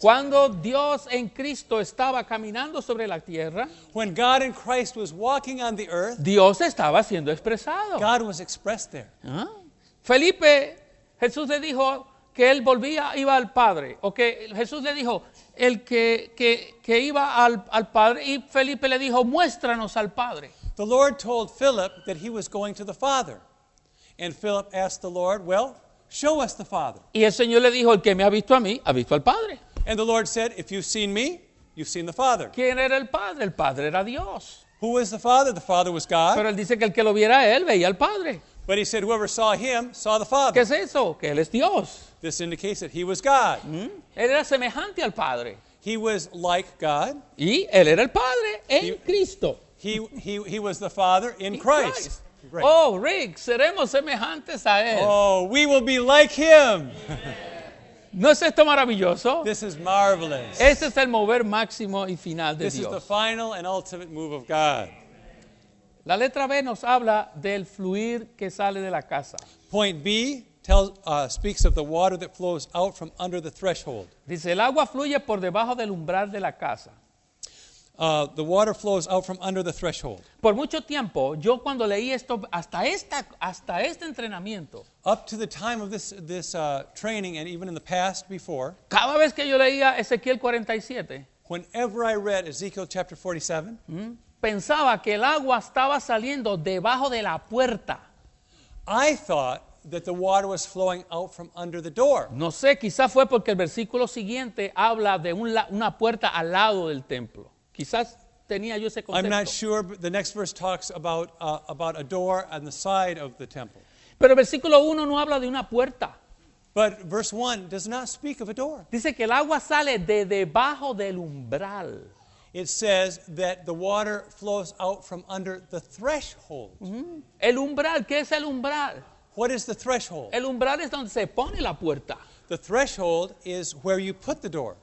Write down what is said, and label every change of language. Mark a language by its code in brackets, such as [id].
[es] Cuando Dios en Cristo estaba caminando sobre la tierra, [en] when God in Christ was walking on the earth, [es] Dios estaba siendo expresado. [en] God was expressed there. [es] Felipe, Jesús le dijo que él volvía, iba al Padre. O que Jesús le dijo, el que iba al Padre, y Felipe le dijo, muéstranos al Padre. [en] The Lord told Philip that he was going to the Father. And Philip asked the Lord, well, show us the Father. [es] Y el Señor le dijo, el que me ha visto a mí, ha visto al Padre. [en] And the Lord said, if you've seen me, you've seen the Father. [es] ¿Quién era el Padre? El Padre era Dios. [en] Who was the Father? The Father was God. [es] Pero él dice que el que lo viera a él, veía al Padre. [en] But he said, whoever saw him, saw the Father. [es] ¿Qué es eso? Que él es Dios. [en] This indicates that he was God. [es] Él era semejante al Padre. [en] He was like God. [es] Y él era el Padre en Cristo. [en] He was the Father in Christ. [es] Rick. Oh, Rick, seremos semejantes a Él. [en] Oh, we will be like Him. [es] ¿No es esto maravilloso? [en] This is marvelous. [es] Este es el mover máximo y final de Dios. [en] This is the final and ultimate move of God. [es] La letra B nos habla del fluir que sale de la casa. [en] Point B speaks of the water that flows out from under the threshold. [es] Dice, el agua fluye por debajo del umbral de la casa. [en] The water flows out from under the threshold. [es] Por mucho tiempo, yo cuando leí esto, hasta este entrenamiento. [en] Up to the time of this training, and even in the past before. [es] Cada vez que yo leía Ezequiel 47. [en] Whenever I read Ezekiel chapter 47. [es] Pensaba que el agua estaba saliendo debajo de la puerta. [en] I thought that the water was flowing out from under the door. [es] No sé, quizá fue porque el versículo siguiente habla de una puerta al lado del templo. Quizás tenía yo ese concepto. [en] I'm not sure, but the next verse talks about a door on the side of the temple. [es] Pero el versículo 1 no habla de una puerta. [en] But verse 1 does not speak of a door. [es] Dice que el agua sale de debajo del umbral. [en] It says that the water flows out from under the threshold. [es] El umbral, ¿qué es el umbral? [en] What is the threshold? [es] El umbral es donde se pone la puerta. [en] The threshold is where you put the door.